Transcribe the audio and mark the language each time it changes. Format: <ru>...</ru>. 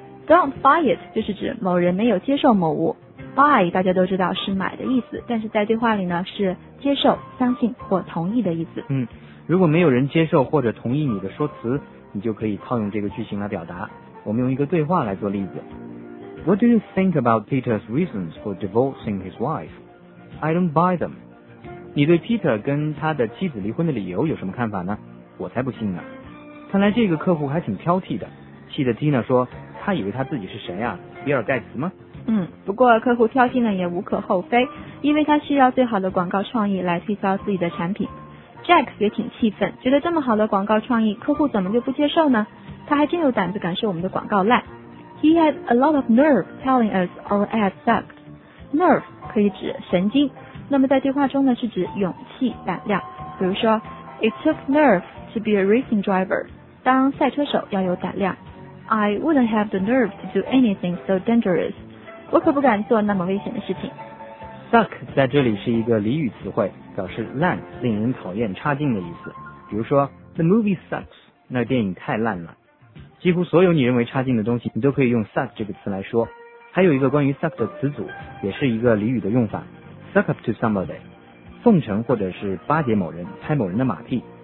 <en>Don't buy it</en> <zh>就是指某人没有接受某物。Buy 大家都知道是买的意思，但是在对话里呢是接受、相信或同意的意思。如果没有人接受或者同意你的说辞，你就可以套用这个句型来表达。我们用一个对话来做例子。</zh> <en>What do you think about Peter's reasons for divorcing his wife? I don't buy them.</en> <zh>你对 Peter 跟他的妻子离婚的理由有什么看法呢？我才不信呢。看来这个客户还挺挑剔的，气得 Tina 说，他以为他自己是谁啊？比尔盖茨吗？不过客户挑剔呢也无可厚非，因为他需要最好的广告创意来推销自己的产品。 Jack 也挺气愤，觉得这么好的广告创意，客户怎么就不接受呢？他还真有胆子敢说我们的广告烂。</zh> <en>He had a lot of nerve telling us our ad sucked.</en> <zh>Nerve 可以指神经，那么在对话中呢是指勇气、胆量。比如说</zh> <en>，It took nerve to be a racing driver.</en> <zh>当赛车手要有胆量。</zh> <en>I wouldn't have the nerve to do anything so dangerous.</en> <zh>我可不敢做那么危险的事情。 Suck 在这里是一个俚语词汇，表示烂、令人讨厌、差劲的意思。比如说 ，</zh> <en>The movie sucks.</en> <zh>那电影太烂了。几乎所有你认为差劲的东西你都可以用 suck 这个词来说。还有一个关于 suck 的词组也是一个俚语的用法，</zh> <en>suck up to somebody，</en> <zh>奉承或者是巴结某人，拍某人的马屁。</zh>